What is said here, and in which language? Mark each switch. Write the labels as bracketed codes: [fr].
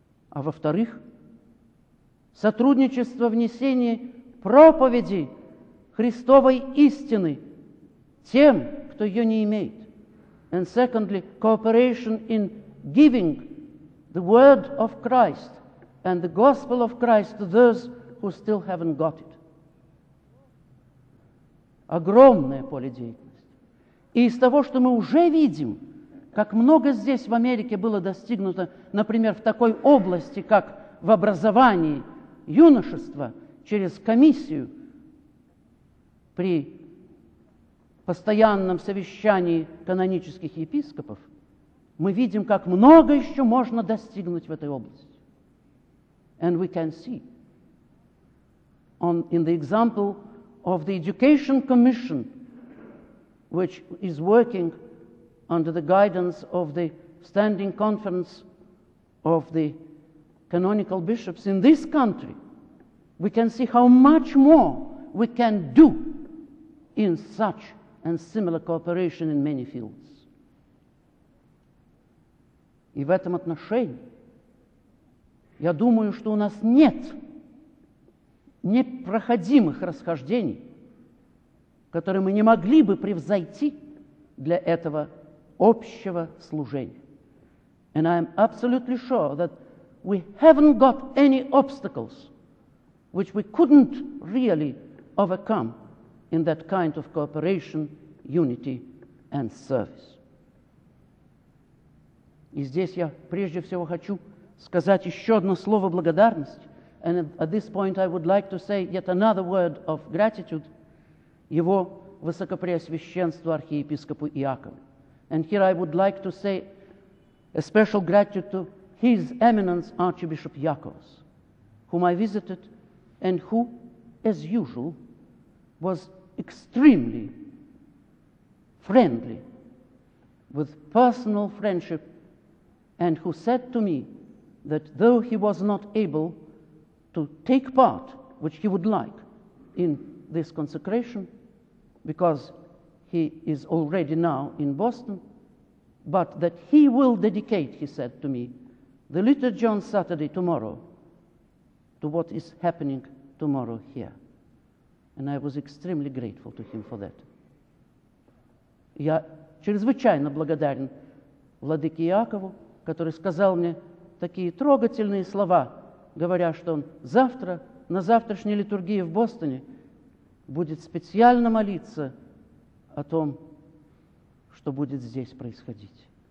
[ru] А во-вторых, сотрудничество в несении проповеди Христовой истины тем, кто ее не имеет. [en] And secondly, cooperation in giving the word of Christ and the gospel of Christ to those who still haven't got it. [ru] Огромное поле деятельности. И из того, что мы уже видим, как много здесь в Америке было достигнуто, например, в такой области, как в образовании юношества, через комиссию при постоянном совещании канонических епископов, мы видим, как много еще можно достигнуть в этой области. [en] And we can see in the example of the Education Commission, which is working under the guidance of the Standing Conference of the Canonical Bishops in this country, we can see how much more we can do in such and similar cooperation in many fields. [ru] И в этом отношении я думаю, что у нас нет непроходимых расхождений, которые мы не могли бы превзойти для этого общего служения. [en] And I am absolutely sure that we haven't got any obstacles which we couldn't really overcome in that kind of cooperation, unity, and service. [ru] И здесь я прежде всего хочу сказать еще одно слово благодарности. [en] And at this point I would like to say yet another word of gratitude [ru] Его Высокопреосвященству Архиепископу Иакову. [en] And here I would like to say a special gratitude to His Eminence Archbishop Iakovos, whom I visited and who, as usual, was extremely friendly, with personal friendship, and who said to me that though he was not able to take part, which he would like, in this consecration, because he is already now in Boston, but that he will dedicate, he said to me, the liturgy on Saturday tomorrow to what is happening tomorrow here. And I was extremely grateful to him for that. [ru] Я чрезвычайно благодарен владыке Иакову, который сказал мне такие трогательные слова, говоря, что он завтра, на завтрашней литургии в Бостоне, будет специально молиться о том, что будет здесь происходить.